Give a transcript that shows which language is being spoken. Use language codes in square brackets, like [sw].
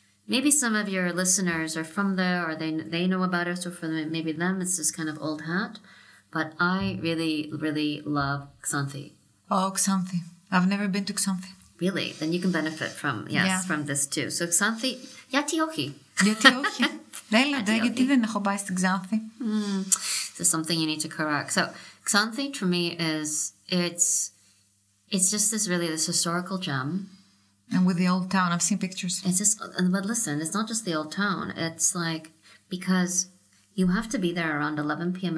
[en] maybe some of your listeners are from there, or they know about us, or for them, maybe them, it's just kind of old hat. But I really, really love Xanthi. Oh, Xanthi. I've never been to Xanthi. Really? Then you can benefit from, yes, yeah, from this too. So Xanthi, [el] γιατί όχι. Γιατί όχι. Λέλετε, γιατί δεν έχω πάει στην Xanthi. [en] So something you need to correct. So Xanthi, for me, is, it's just this really, this historical gem. And with the old town, I've seen pictures. It's just, but listen, it's not just the old town. It's like, because you have to be there around 11 p.m.